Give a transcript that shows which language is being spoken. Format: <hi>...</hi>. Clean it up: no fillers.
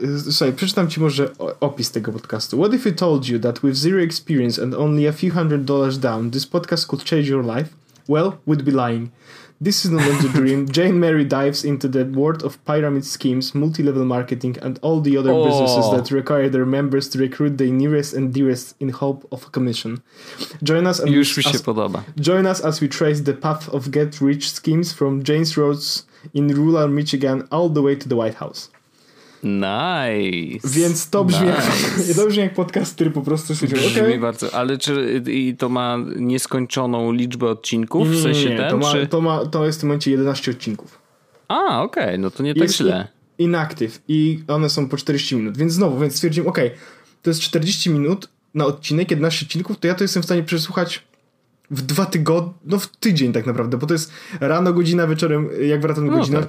<pl>Słuchaj, przeczytam ci może opis tego podcastu.</pl> <en>What if I told you that with zero experience and only a few hundred dollars down, this podcast could change your life? Well, we'd be lying. This is not a dream. Jane Mary dives into the world of pyramid schemes, multi-level marketing, and all the other businesses that require their members to recruit their nearest and dearest in hope of a commission. Join us and</en> <pl>już mi się podoba.</pl> <en>Join us as we trace the path of get rich schemes from James Rhodes in rural Michigan all the way to the White House. Nice.</en> <pl>Więc to brzmi, nice. To brzmi jak podcast, który po prostu siedział. Brzmi okay. bardzo, ale czy i to ma nieskończoną liczbę odcinków? Nie, w sensie nie, ten, to, ma, czy... to, ma, to jest w tym momencie 11 odcinków. A, okej, okay. No to nie jest tak źle. Inactive i one są po 40 minut, więc znowu, więc stwierdziłem, okej, okay, to jest 40 minut na odcinek, 11 odcinków, to ja to jestem w stanie przesłuchać w dwa tygodnie, no w tydzień tak naprawdę, bo to jest rano, godzina, wieczorem, jak wracam godzina, tak.</pl>